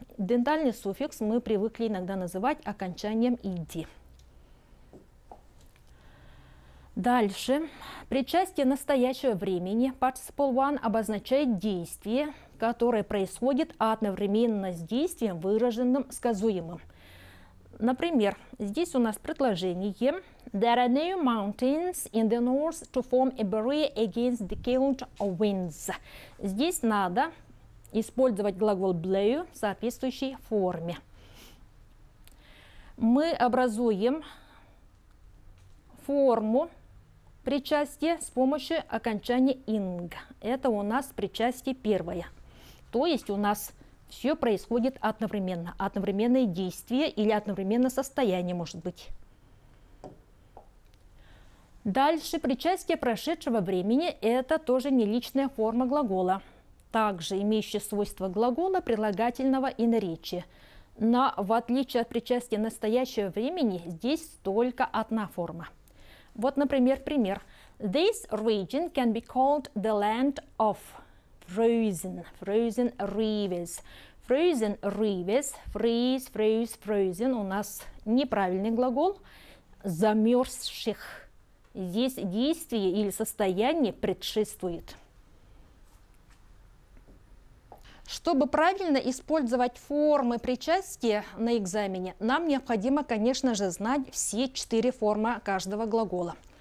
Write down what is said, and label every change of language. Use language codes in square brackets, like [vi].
[ru] Дентальный суффикс мы привыкли иногда называть окончанием -ed. Дальше. Причастие настоящего времени, participle one, обозначает действие, которое происходит одновременно с действием, выраженным сказуемым. Например, здесь у нас предложение: [en] there are new mountains in the north to form a barrier against the cold winds. [ru] Здесь надо использовать глагол blow в соответствующей форме. Мы образуем форму причастия с помощью окончания ing. Это у нас причастие первое. То есть у нас все происходит одновременно. Одновременное действие или одновременное состояние, может быть. Дальше причастие прошедшего времени – это тоже неличная форма глагола, также имеющая свойства глагола, прилагательного и наречия. Но в отличие от причастия настоящего времени, здесь только одна форма. Вот, например, пример. [en] This region can be called the land of frozen rivers. Frozen rivers, freeze, froze, frozen [ru] – у нас неправильный глагол замерзших. Здесь действие или состояние предшествует. Чтобы правильно использовать формы причастия на экзамене, нам необходимо, конечно же, знать все четыре формы каждого глагола.